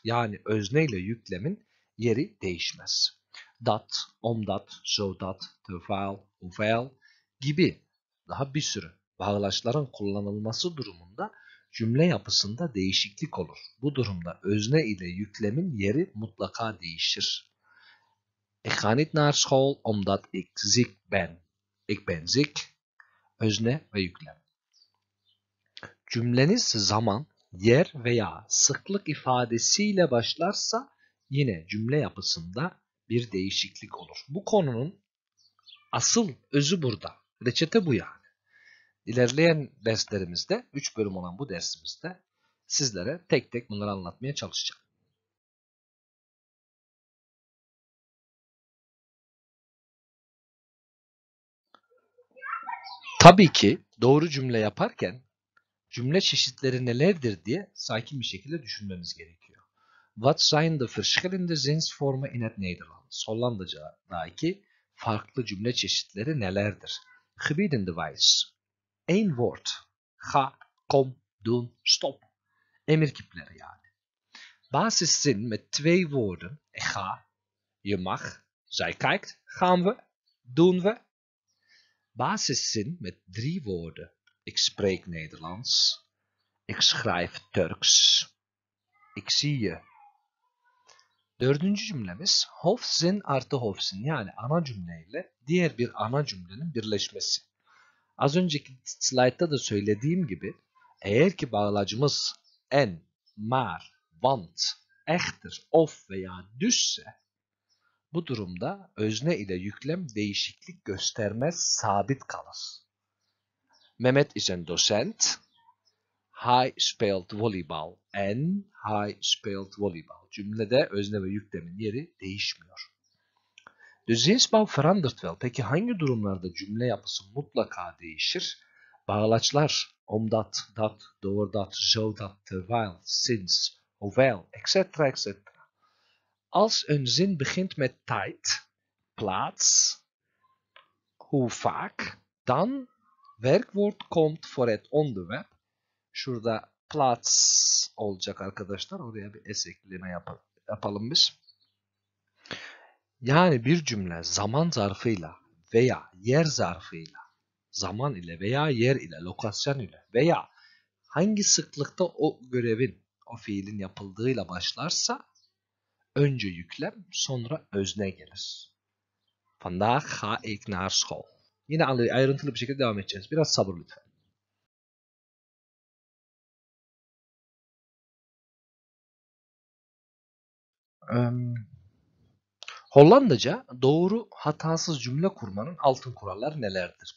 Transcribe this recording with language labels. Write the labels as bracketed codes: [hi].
[tr] Yani özne ile yüklemin yeri değişmez. Dat, omdat, zodat, tevel, uvel gibi daha bir sürü bağlaçların kullanılması durumunda cümle yapısında değişiklik olur. Bu durumda özne ile yüklemin yeri mutlaka değişir. [nl] Ik ga niet naar school omdat ik ziek ben. Ik ben ziek. [tr] Özne ve yüklem. Cümleniz zaman, yer veya sıklık ifadesiyle başlarsa yine cümle yapısında bir değişiklik olur. Bu konunun asıl özü burada. Reçete bu yani. İlerleyen derslerimizde, 3 bölüm olan bu dersimizde sizlere tek tek bunları anlatmaya çalışacağım. Tabii ki doğru cümle yaparken cümle çeşitleri nelerdir diye sakin bir şekilde düşünmemiz gerekiyor. [nl] Wat zijn de verschillende zinsvormen in het Nederlands? [tr] Hollandaca'daki farklı cümle çeşitleri nelerdir? [nl] Gebiedende wijs. Eén woord. Ga, kom, doen, stop. [tr] Emirkipleri yani. [nl] Basiszin met twee woorden. Ga, je mag, zij kijkt, gaan we, doen we. Basiszin met drie woorden. Ik spreek Nederlands. Ik schrijf Turks. Ik zie je. [tr] Dördüncü cümlemiz hoofdzin artı hoofdzin yani ana cümleyle diğer bir ana cümlenin birleşmesi. Az önceki slaytta da söylediğim gibi eğer ki bağlacımız en, maar, want, echter, of veya düzse bu durumda özne ile yüklem değişiklik göstermez, sabit kalır. [nl] Mehmet is een docent. Hij speelt volleyball. En hij speelt volleyball. [tr] Cümlede özne ve yüklemin yeri değişmiyor. [nl] De zinsbouw verandert wel. [tr] Peki hangi durumlarda cümle yapısı mutlaka değişir? [nl] Bağlaçlar omdat, dat, doordat, zodat, terwijl, sinds, hoewel, etc. etc. Als een zin begint met tijd, plaats, hoe vaak, dan werkwoord komt voor het onderwerp. [tr] Şurada plaats olacak arkadaşlar. Oraya bir es ekleme yapalım biz. Yani bir cümle zaman zarfıyla veya yer zarfıyla, zaman ile veya yer ile, lokasyon ile veya hangi sıklıkta o görevin, o fiilin yapıldığıyla başlarsa önce yüklem, sonra özne gelir. [nl] Vandaag ga ik naar school. [tr] Yine ayrıntılı bir şekilde devam edeceğiz. Biraz sabır lütfen. Um, Hollandaca doğru hatasız cümle kurmanın altın kuralları nelerdir?